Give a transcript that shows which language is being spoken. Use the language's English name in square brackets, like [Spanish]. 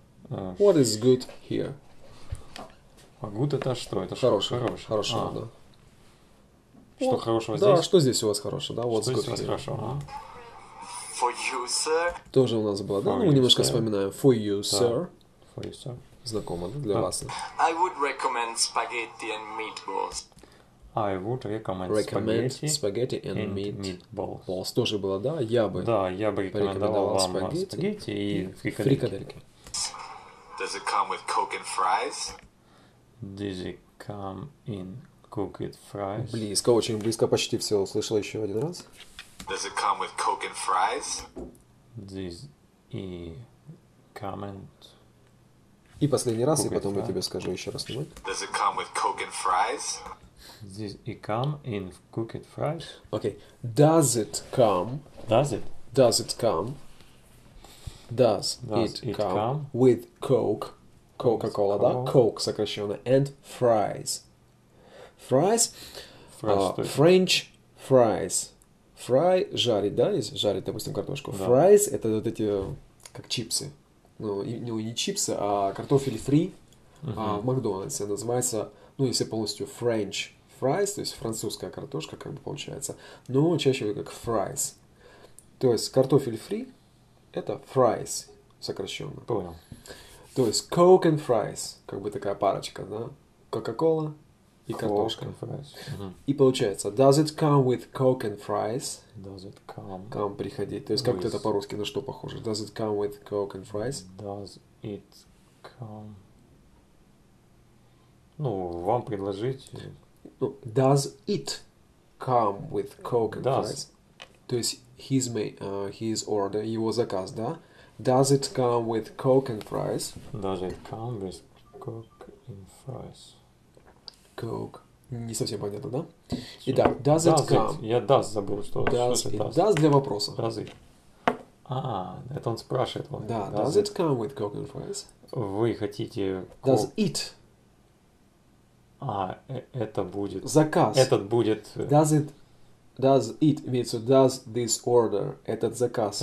[English] What is good here? [Russian] А good это что? Это хорошее. Хорошее. Хорошее, да. Что вот, хорошего да, здесь? Да, что здесь у вас хорошего, да? [English] What's [Russian] что [English] good [Russian] здесь [English] here? [Russian] У вас хорошо, а? [English] For you, sir. [Russian] Тоже у нас было, да? Ну, мы немножко sir. Вспоминаем. For you, да. Sir. [English] For you, sir. [Russian] Знакомо, да, для да. вас. [English] I would recommend spaghetti and meatballs. I would recommend spaghetti and meatballs. [Russian] Тоже было, да? Я бы, да, я бы рекомендовал вам спагетти и фрикадельки. [English] Does it come with coke and fries? Did it come in cooked fries? [Russian] Близко, очень близко, почти все услышал еще один раз. [English] Does it come with coke and fries? Did it come in... [Russian] И последний раз, и потом я тебе скажу еще раз. [English] Does it come with coke and fries? Did it come in cooked fries? Okay. Does it come... Does it? Does it come... Does it come, come with coke... [Russian] Coca-Cola, да? Coke, сокращенно. [English] And fries. Fries? French fries. [Russian] Fry – жарить, да? Если жарить, допустим, картошку. Да. Fries – это вот эти, как чипсы. Ну, не чипсы, а картофель фри в Макдональдсе. Называется, ну, если полностью French fries, то есть французская картошка, как бы получается. Но чаще как fries. То есть картофель фри – это fries, сокращенно. Понял. То есть Coke and fries, как бы такая парочка, да? Coca-Cola и картошка. И получается, [English] does it come with Coke and fries? Does it come? [Russian] Come приходить. То есть как это по-русски на что похоже? [English] Does it come with Coke and fries? Does it come? [Russian] Ну, вам предложить. [English] Does it come with Coke and fries? [Russian] То есть [English] his his order, [Russian] его заказ, да? [English] Does it come with Coke and fries? Does it come with Coke and fries? [Russian] Coke. Не совсем понятно, да? Итак, [English] does it come? [Russian] Я does забыл, что это does. Does для вопроса. [English] Does it? [Russian] А, это он спрашивает. [English] Да, does it come with Coke and fries? [Russian] Вы хотите... [English] Does it? [Russian] А, это будет... Заказ. Этот будет... [English] Does it... Does it, [Russian] имеется, [English] does this order, [Russian] этот заказ,